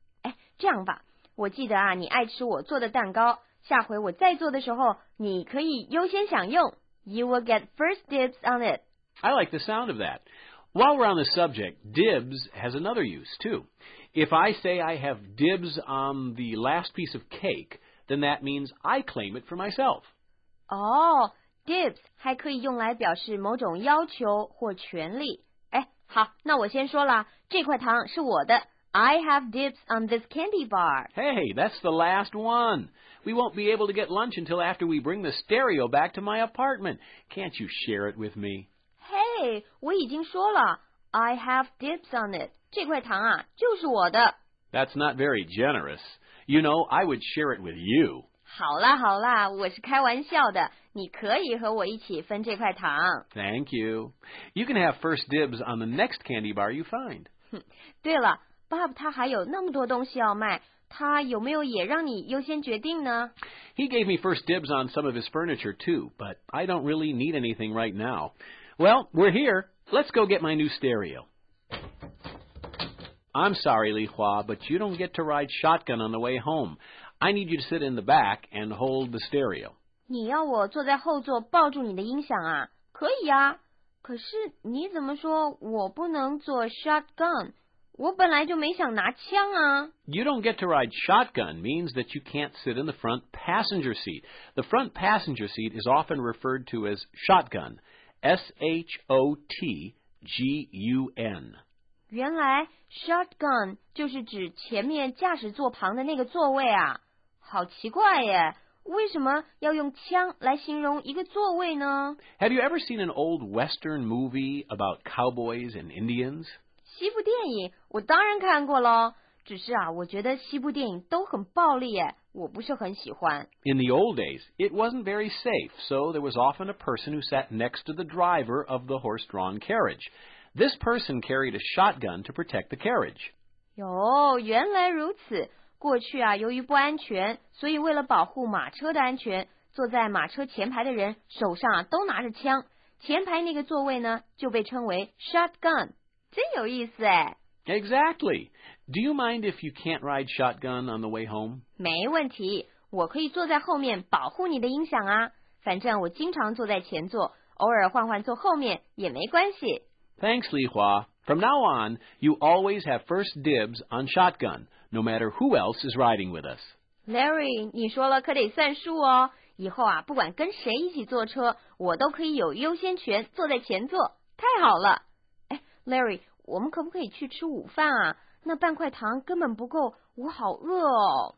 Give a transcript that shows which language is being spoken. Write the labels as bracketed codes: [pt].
[zh] 哎，这样吧，我记得啊，你爱吃我做的蛋糕，下回我再做的时候，你可以优先享用。 [en] You will get first dibs on it. I like the sound of that. While we're on the subject, dibs has another use too. If I say I have dibs on the last piece of cake, then that means I claim it for myself. [zh] Oh, dibs 还可以用来表示某种要求或权利。好，那我先说了，这块糖是我的。 [en] I have dibs on this candy bar. Hey, that's the last one. We won't be able to get lunch until after we bring the stereo back to my apartment. Can't you share it with me? Hey, [zh] 我已经说了 [en] ，I have dibs on it. [zh] 这块糖啊，就是我的。 [en] That's not very generous. You know, I would share it with you. [zh] 好啦好啦，我是开玩笑的。你可以和我一起分这块糖。 [en] Thank you. You can have first dibs on the next candy bar you find. [zh] 对了 ，Bob 他还有那么多东西要卖，他有没有也让你优先决定呢？ [en] He gave me first dibs on some of his furniture too, but I don't really need anything right now. Well, we're here. Let's go get my new stereo. I'm sorry, Li Hua, but you don't get to ride shotgun on the way home. I need you to sit in the back and hold the stereo. [zh] 你要我坐在后座抱住你的音响啊？可以啊。可是你怎么说我不能坐 shotgun？我本来就没想拿枪啊。 [en] You don't get to ride shotgun means that you can't sit in the front passenger seat. The front passenger seat is often referred to as shotgun. S-H-O-T-G-U-N. [zh] 原来 shotgun 就是指前面驾驶座旁的那个座位啊。好奇怪耶，为什么要用枪来形容一个座位呢？ [en] Have you ever seen an old western movie about cowboys and Indians? [zh] 西部电影我当然看过了，只是啊，我觉得西部电影都很暴力耶，我不是很喜欢。 [en] In the old days, it wasn't very safe, so there was often a person who sat next to the driver of the horse-drawn carriage. This person carried a shotgun to protect the carriage. [zh] 哟，原来如此。过去啊，由于不安全，所以为了保护马车的安全，坐在马车前排的人手上啊都拿着枪，前排那个座位呢就被称为 shotgun。真有意思哎。 [en] Exactly. Do you mind if you can't ride shotgun on the way home? [zh] 没问题，我可以坐在后面保护你的音响啊。反正我经常坐在前座，偶尔换换坐后面也没关系。 [en] Thanks, Li Hua. From now on, you always have first dibs on shotgun, no matter who else is riding with us. [zh] Larry, 你说了可得算数哦。以后啊，不管跟谁一起坐车，我都可以有优先权坐在前座。太好了。 Larry, 我们可不可以去吃午饭啊？那半块糖根本不够，我好饿哦。